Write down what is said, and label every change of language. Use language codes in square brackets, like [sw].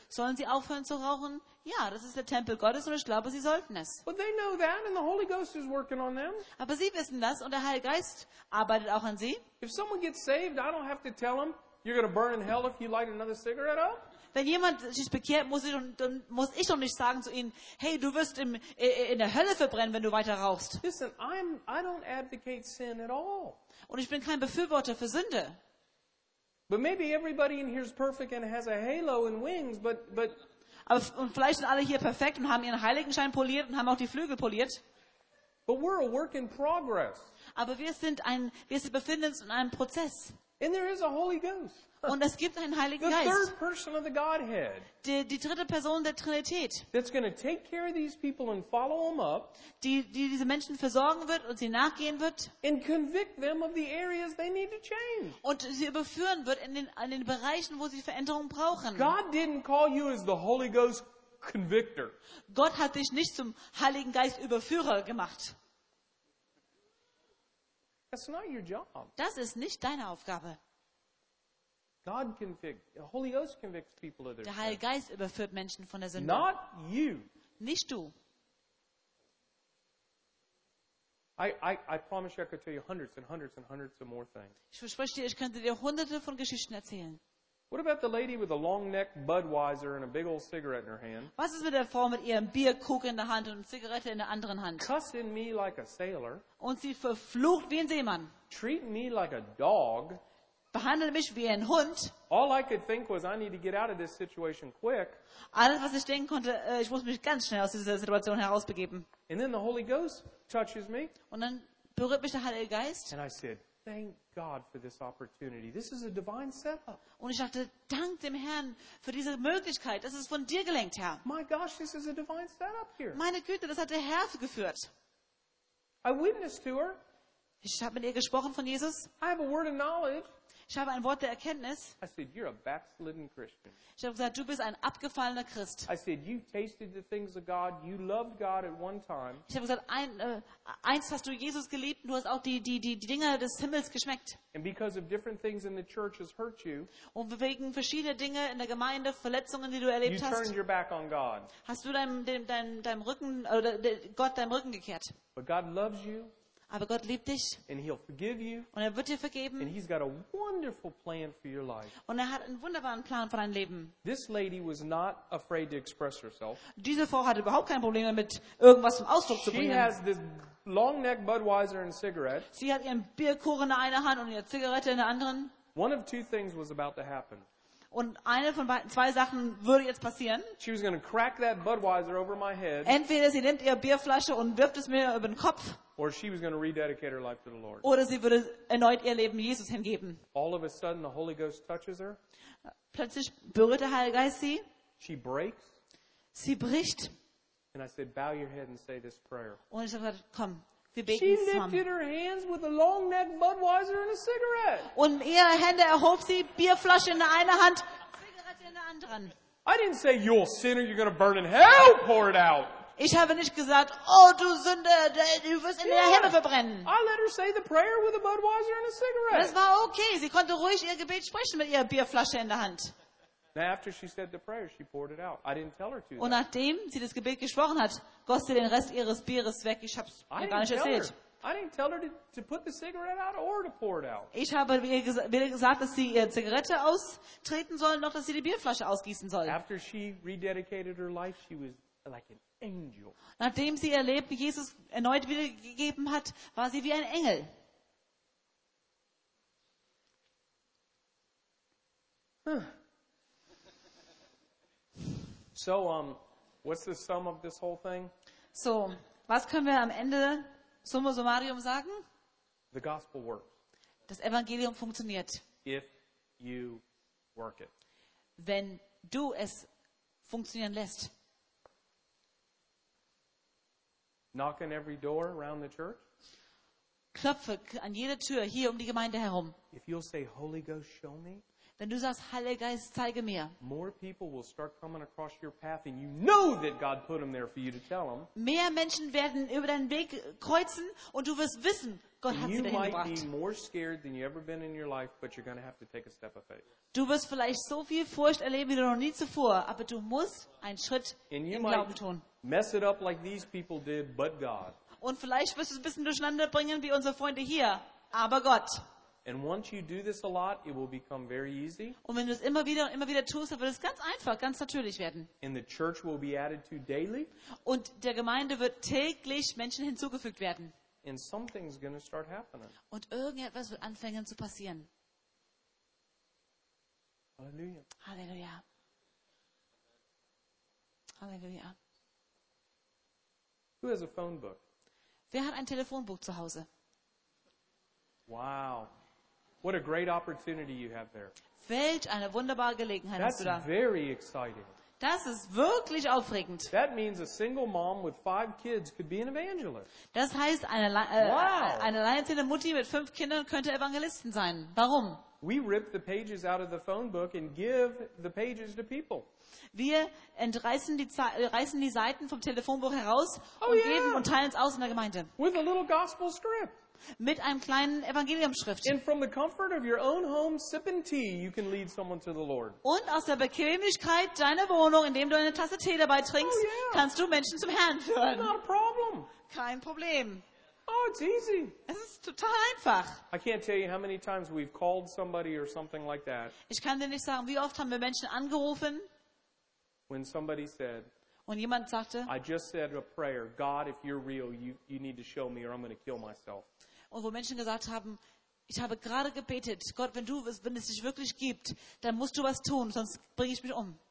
[de] Sollen sie aufhören zu rauchen? Ja, das ist der Tempel Gottes, und ich glaube, sie sollten es. [en] But they know that, and the Holy Ghost is working on them. [de] Aber sie wissen das, und der Heilige Geist arbeitet auch an sie. [en] If someone gets saved, I don't have to tell them you're going to burn in hell if you light another cigarette up. [de] Wenn jemand sich bekehrt, muss ich doch nicht sagen zu ihnen, hey, du wirst in der Hölle verbrennen, wenn du weiter rauchst. [en] Listen, I don't advocate sin at all. [de] Und ich bin kein Befürworter für Sünde. [en] But maybe everybody in here is perfect and has a halo and wings, but [de] aber und vielleicht sind alle hier perfekt und haben ihren Heiligenschein poliert und haben auch die Flügel poliert. [en] But we're a work in progress. [de] Aber wir befinden uns in einem Prozess. [en] And there is a Holy Ghost. [de] Und es gibt einen Heiligen [en] the [de] Geist. [en] The third person of the Godhead. [de] Die dritte Person der Trinität. [en] That's going to take care of these people and follow them up. [de] Die diese Menschen versorgen wird und sie nachgehen wird. [en] And convict them of the areas they need to change. [de] Und sie überführen wird in den Bereichen, wo sie Veränderung brauchen. [en] God didn't call you as the Holy Ghost convictor. [de] Gott hat dich nicht zum Heiligen Geist Überführer gemacht. [en] That's not your job. [de] Das ist nicht deine Aufgabe. [en] God convicts. The Holy Ghost convicts people of their sin. [de] Der Heilige Geist überführt Menschen von der Sünde. [en] Not you. [de] Nicht du. [en] I promise you, I could tell you hundreds and hundreds and hundreds of more things. [de] Ich verspreche dir, ich könnte dir hunderte von Geschichten erzählen. [en] What about the lady with a long neck Budweiser and a big old cigarette in her hand? [de] Was ist mit der Frau mit ihrem Bierkrug in der Hand und Zigarette in der anderen Hand? [en] Cussing me like a sailor. [de] Und sie verflucht wie ein Seemann. [en] Treating me like a dog. [de] Behandle mich wie ein Hund. [en] All I could think was I need to get out of this situation quick. [de] Alles was ich denken konnte, ich muss mich ganz schnell aus dieser Situation herausbegeben. [en] And then the Holy Ghost touches me. [de] Und dann berührt mich der Heilige Geist. [en] And I said, thank God for this opportunity. This is a divine setup. [de] Und ich dachte, dank dem Herrn für diese Möglichkeit. Das ist von dir gelenkt, Herr. [en] My gosh, this is a divine setup here. [de] Meine Güte, das hat der Herr geführt. [en] I witnessed to her. [de] Ich habe mit ihr gesprochen von Jesus. [en] I have a word of knowledge. [de] Ich habe ein Wort der Erkenntnis. [en] I said, you're a backslidden Christian. [de] Ich habe gesagt, du bist ein abgefallener Christ. [en] I said, you tasted the things of God. You loved God at one time. [de] Ich habe gesagt, eins hast du Jesus geliebt, du hast auch die Dinge des Himmels geschmeckt. [en] And because of different things in the church has hurt you. [de] Und wegen verschiedener Dinge in der Gemeinde, Verletzungen, die du erlebt hast. [en] You turned your back on God. [de] Hast du deinem Rücken oder Gott deinem Rücken gekehrt? [en] But God loves you. [de] Aber Gott liebt dich. [en] And he'll forgive you. [de] Und er wird dir vergeben. [en] And he's got a wonderful plan for your life. [de] Und er hat einen wunderbaren Plan für dein Leben. [en] This lady was not afraid to express herself. [de] Diese Frau hatte überhaupt kein Problem damit, irgendwas zum Ausdruck zu bringen. [en] She has this long neck Budweiser and cigarette. [de] Sie hat ihren Bierkuchen in der einen Hand und ihre Zigarette in der anderen. [en] One of two things was about to happen. [de] Und eine von zwei Sachen würde jetzt passieren. [en] She was going to crack that Budweiser over my head. [de] Entweder sie nimmt ihre Bierflasche und wirft es mir über den Kopf. [en] Or she was going to rededicate her life to the Lord. [de] Oder sie würde erneut ihr Leben Jesus hingeben. [en] All of a sudden the Holy Ghost touches her. [de] Plötzlich berührt der Heilige Geist sie. [en] She breaks. [de] Sie bricht. [en] And I said, bow your head and say this prayer. [de] Und ich sagte, komm, wir beten zusammen. [en] She lifted her hands with a long neck Budweiser and a cigarette. [de] Und ihre Hände erhob sie, Bierflasche in der einen Hand, Zigarette in der anderen. [en] I didn't say, you're a sinner, you're going to burn in hell, pour it out. [de] Ich habe nicht gesagt, oh du Sünder, du wirst in der Hölle verbrennen. [en] I let her say the prayer with a Budweiser and a cigarette. [de] Das war okay, sie konnte ruhig ihr Gebet sprechen mit ihrer Bierflasche in der Hand. [en] Now after she said the prayer, she poured it out. I didn't tell her to. [de] Und nachdem sie das Gebet gesprochen hat, goss sie den Rest ihres Bieres weg. Ich habe es ihr gar nicht erzählt. [en] I didn't tell her to put the cigarette out or to pour it out. [de] Ich habe ihr gesagt, dass sie ihre Zigarette austreten soll, noch dass sie die Bierflasche ausgießen soll. [en] After she rededicated her life, she was like an angel. [de] Nachdem sie ihr Leben Jesus erneut wiedergegeben hat, war sie wie ein Engel. [en] So, what's the sum of this whole thing? [de] So, was können wir am Ende summa summarum sagen? [en] The gospel works. [de] Das Evangelium funktioniert. [en] If you work it. [de] Wenn du es funktionieren lässt. [en] Knock on every door around the church. [de] Klopfe an jede Tür hier um die Gemeinde herum. [en] If you'll say, Holy Ghost, show me. [de] Wenn du sagst, Heiliger Geist, zeige mir. [en] More people will start coming across your path and you know that God put them there for you to tell them. [de] Mehr Menschen werden über deinen Weg kreuzen und du wirst wissen, Gott hat sie dahin gebracht. [en] You might be more scared than you ever been in your life, but you're going to have to take a step of faith. [de] Du wirst vielleicht so viel Furcht erleben wie du noch nie zuvor, aber du musst einen Schritt im Glauben tun. [en] And you might mess it up like these people did, but God. [de] Und vielleicht wirst du es ein bisschen durcheinander bringen wie unsere Freunde hier, aber Gott. [en] And once you do this a lot, it will become very easy. [de] Und wenn du es immer wieder tust, dann wird es ganz einfach, ganz natürlich werden. [en] And the church will be added to daily. [de] Und der Gemeinde wird täglich Menschen hinzugefügt werden. [en] And something's going to start happening. [de] Und irgendetwas wird anfangen zu passieren. Halleluja. Halleluja. Halleluja. [en] Who has a phone book? [de] Wer hat ein Telefonbuch zu Hause? [en] Wow. What a great opportunity you have there. [de] Welch eine wunderbare Gelegenheit hast du da. [en] That's very exciting. [de] Das ist wirklich aufregend. [en] That means a single mom with five kids could be an evangelist. [de] Das heißt, eine alleinerziehende Mutti mit fünf Kindern könnte Evangelistin sein. Warum? [en] We rip the pages out of the phone book and give the pages to people. [de] Wir reißen die Seiten vom Telefonbuch heraus geben und teilen es aus in der Gemeinde. [en] With a little gospel script. [de] Mit einem kleinen Evangeliumschrift. [en] And from the comfort of your own home sipping tea, you can lead someone to the Lord. [de] Und aus der Bequemlichkeit deiner Wohnung, indem du eine Tasse Tee dabei trinkst, kannst du Menschen zum Herrn führen. [en] Not a problem. [de] Kein Problem. [en] Oh, it's easy. [de] Es ist total einfach. [en] I can't tell you how many times we've called somebody or something like that. [de] Ich kann dir nicht sagen, wie oft haben wir Menschen angerufen. [en] When somebody said, [de] und jemand sagte, [en] I just said a prayer. God, if you're real, you need to show me or I'm going to kill myself. [de] Und wo Menschen gesagt haben, ich habe gerade gebetet, Gott, wenn es dich wirklich gibt, dann musst du was tun, sonst bringe ich mich um.